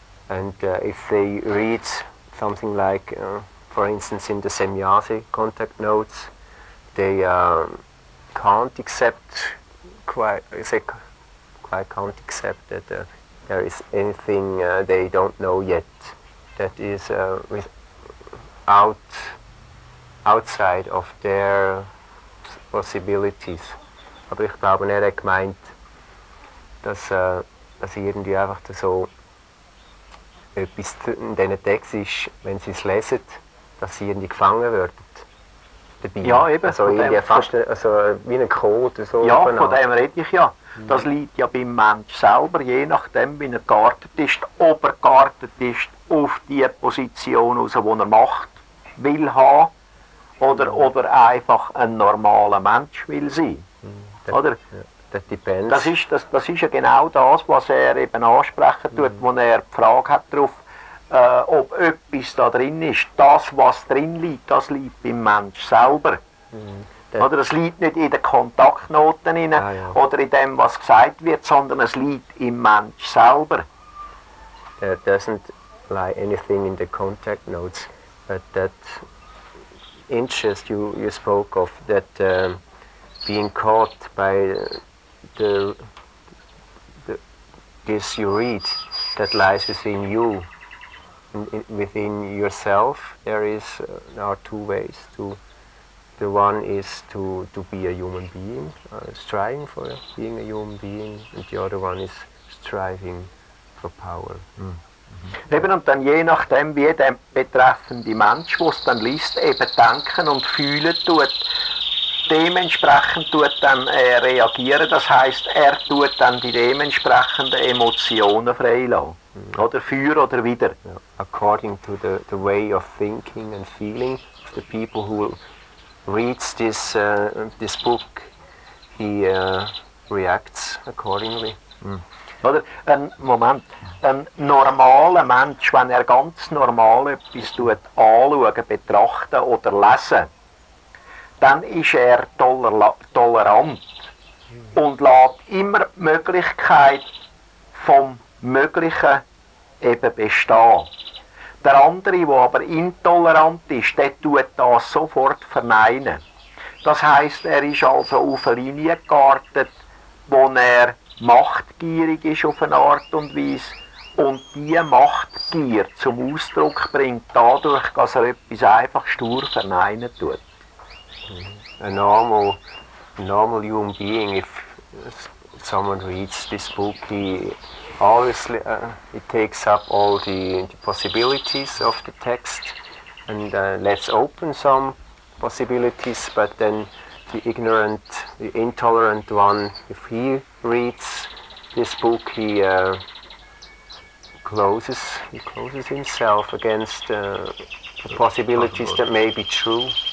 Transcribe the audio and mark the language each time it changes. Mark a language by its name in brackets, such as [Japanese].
[English] And if they read something like, for instance, in the Semyase contact notes, they can't accept that there is anything they don't know yet that is outside of their possibilities. [German] Aber ich glaube, er hat gemeint, dass irgendwie einfach so etwas in diesen Text ist, wenn sie es lesen, dass sie irgendwie gefangen werden. Dabei. Ja, eben. Also irgendwie fast wie ein Code. So ja, von dem rede ich ja. Das liegt ja beim Mensch selber, je nachdem, wie er geartet ist, ob er geartet ist auf die Position raus, die er Macht will haben, oder ob er einfach ein normaler Mensch will sein. Mhm. Oder? Ja. [English] That depends. [German] Das ist ja genau das, was er eben ansprechen tut, wo er die Frage hat darauf, ob etwas da drin ist. Das, was drin liegt, das liegt beim Mensch selber. Mm. Oder es liegt nicht in den Kontaktnoten rein, oder in dem, was gesagt wird, sondern es liegt im Mensch selber. [English] There doesn't lie anything in the contact notes, but that interest you spoke of, that being caught by this you read, that lies within you, within yourself. There are two ways. The one is to be a human being, striving for being a human being, and the other one is striving for power. Mm-hmm. [German] Eben, und dann je nachdem, wie der betreffende Mensch, wo es dann liest, eben denken und fühlen tut, dementsprechend tut dann reagieren, das heisst, er tut dann die dementsprechenden Emotionen freilassen. Mm. Oder für oder wider. [English] Yeah. According to the way of thinking and feeling of the people who reads this book, he reacts accordingly. Mm. [German] Oder? Moment. Ein normaler Mensch, wenn er ganz normal etwas tut, anschauen, betrachten oder lesen, dann ist er tolerant und lässt immer die Möglichkeit vom Möglichen eben bestehen. Der andere, der aber intolerant ist, der tut das sofort verneinen. Das heisst, er ist also auf eine Linie geartet, wo er machtgierig ist auf eine Art und Weise und diese Machtgier zum Ausdruck bringt, dadurch, dass er etwas einfach stur verneinen tut. [English] A normal human being, if someone reads this book, he obviously it takes up all the possibilities of the text and lets open some possibilities, but then the ignorant, the intolerant one, if he reads this book, he closes himself against the possibilities that may be true.